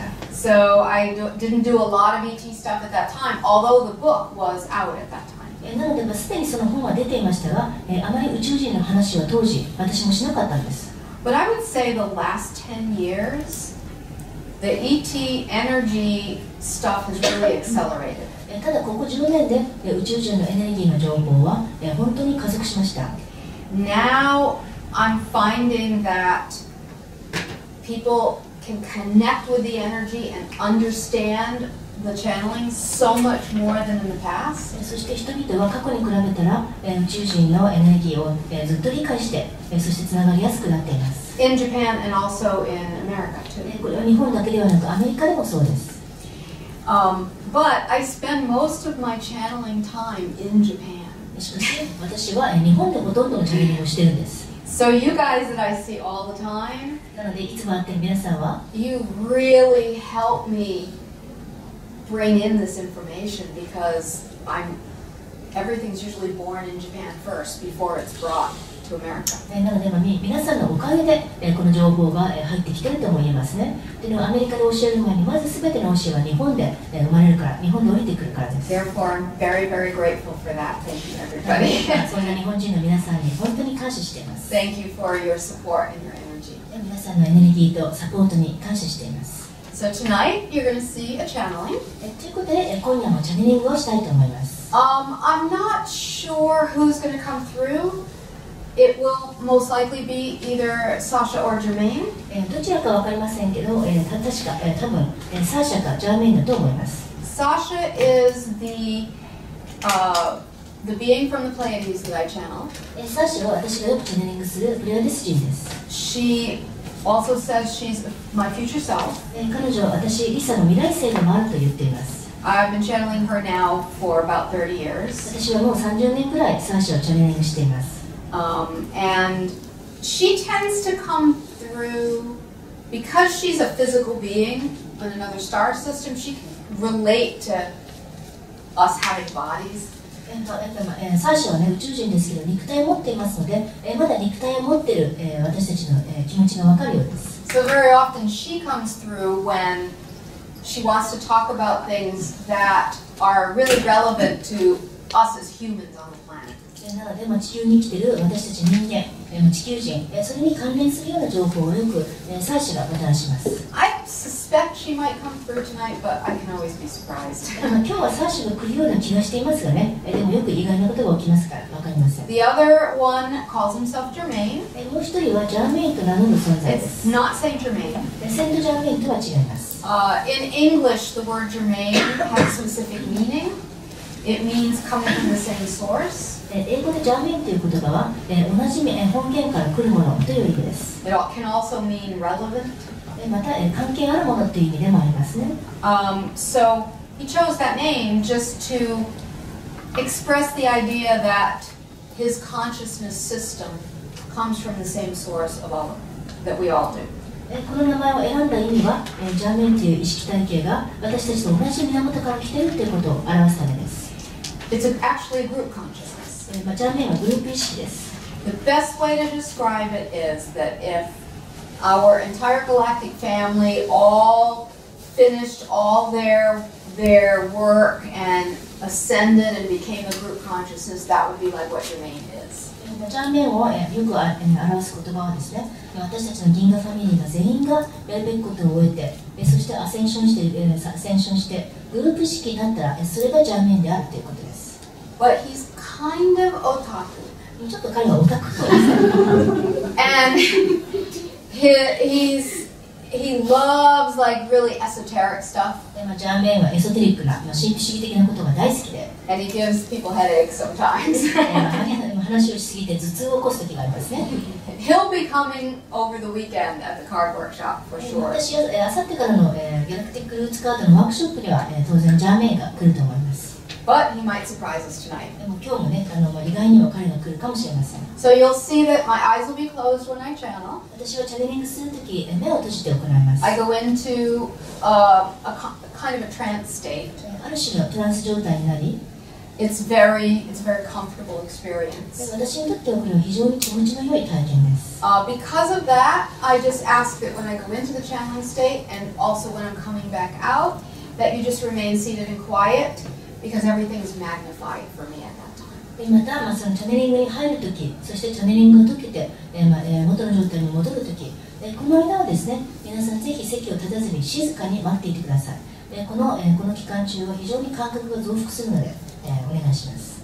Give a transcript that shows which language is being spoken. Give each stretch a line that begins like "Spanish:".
English: So I didn't do a lot of ET stuff at that time, although the book was out at that time.
Japanese: なので、すでにその本は出ていましたが、あまり宇宙人の話は当時、私もしなかったんです。
English: But I would say the last 10 years, the ET energy stuff has really accelerated.
Japanese: ただここ10年で、宇宙人のエネルギーの情報は、本当に加速しました。
English: Now,I'm finding that people can connect with the energy and understand the channeling so much more than in the past.
Japanese: そして人々は過去に比べたら、宇宙人のエネルギーをずっと理解して、そしてつながりやすくなっています。
English: In Japan and also in America too.
Japanese: これは日本だけではなく、アメリカでもそうです。
English: But I spend most of my channeling time in Japan.
Japanese: しかし、私は日本でほとんどのチャネリングをしているんです。
English: So you guys that I see all the time,
Japanese: なのでいつも会ってる皆さんは、
English: you really help me bring in this information because everything's usually born in Japan first before it's brought to America.
Japanese: なので、皆さんのおかげで、この情報が、入ってきてると思いますね。というのはアメリカで教える前にまず全ての教えは日本で、生まれるから、日本で降りてくるからです。
English: Therefore, I'm very, very grateful for that. Thank you, everybody.
Japanese: そんな日本人の皆さんに本当に感謝しています。
English: Thank you for your support and your energy.
Japanese: 皆さんのエネルギーとサポートに感謝しています。
English: So tonight, you're going to see a channeling.
Japanese: ということで、今夜もチャネリングをしたいと思います。
English: I'm not sure who's going to come through. It will most likely be either Sasha or Jermaine.
Japanese: どちらかわかりませんけど、確か、多分、Sasha か Jermaine だと思います。
English: Sasha is the being from the Pleiades that I channel.
Japanese: Sasha は私がよくチャネリングするプレアディス人です。
English: She also says she's my future self.
Japanese: 彼女は私、Lyssaの未来性でもあると言っています。
English: I've been channeling her now for about 30 years.
Japanese: 私はもう30年くらいサーシャをチャネリングしています。
English: And she tends to come through because she's a physical being in another star system. She can relate to us having bodies.
Japanese: Sasha はね、宇宙人ですけど、肉体を持っていますので、まだ肉体を持っている、私たちの、気持ちがわかるようです。
English: So very often she comes through when she wants to talk about things that are really relevant to us as humans.
Japanese: なので、まあ、地球に来ている私たち人間、地球人、それに関連するような情報をよく、サーシュがもたらします。
English: I suspect she might come through tonight, but I can always be surprised.
Japanese: 今日はサーシュが来るような気がしていますがね、でもよく意外なことが起きますから、わかりません。
English: The other one calls himself Germain.
Japanese: もう一人はジャーメインと名乗る存在です。
English: It's not Saint Germain.
Japanese: セントジャーメインとは違います。
English: In English, the word Germain has specific meaning. It means coming from the same source.
Japanese: 英語でジャーメインという言葉は、同じ本源から来るものという意味です。
English: It can also mean relevant.
Japanese: また、関係あるものという意味でもありますね。
English: So he chose that name just to express the idea that his consciousness system comes from the same source of all that we all do.
Japanese: この名前を選んだ意味は、ジャーメインという意識体系が私たちと同じ源から来ているということを表すためです。
English: It's actually a group consciousness. The best way to describe it is that if our entire galactic family all finished all their work and ascended and became a group consciousness, that would be like what Germain is.
Japanese: ジャーメンをよく表す言葉はですね、私たちの銀河ファミリーが全員がやるべきことを終えて、そしてアセンションしてグループ式になったら、それがジャーメンであるということです。
English: But he'sKind of otaku.
Japanese: ちょっと彼はオタクです。
English: And he loves like really esoteric stuff.
Japanese: ジャーメンはエソテリックな、神秘主義的なことが大好きで。
English: And he gives people headaches sometimes.
Japanese: 話をしすぎて頭痛を起こす時がありますね。
English: He'll be coming over the weekend at the card workshop for sure.
Japanese: 私は明後日からのギャラクティックルーツカードのワークショップには当然ジャーメンが来ると思います。
English: But he might surprise us tonight.
Japanese: でも今日もね、意外にも彼が来るかもしれません。
English: So you'll see that my eyes will be closed when I channel.
Japanese: 私はチャネリングするとき、目を閉じて行います。
English: I go into a kind of a trance state.
Japanese: ある種のトランス状態になり、
English: It's very comfortable experience.
Japanese: 私にとっては非常に気持ちの良い体験です。
English: Because of that, I just ask that when I go into the channeling state, and also when I'm coming back out, that you just remain seated and quiet. Because everything is magnified for me at that time.
Japanese: で、また、そのチャネリングに入るとき、そしてチャネリングを解けて、元の状態に戻るとき、この間はですね、皆さんぜひ席を立たずに静かに待っていてください。この期間中は非常に感覚が増幅するので、お願いします。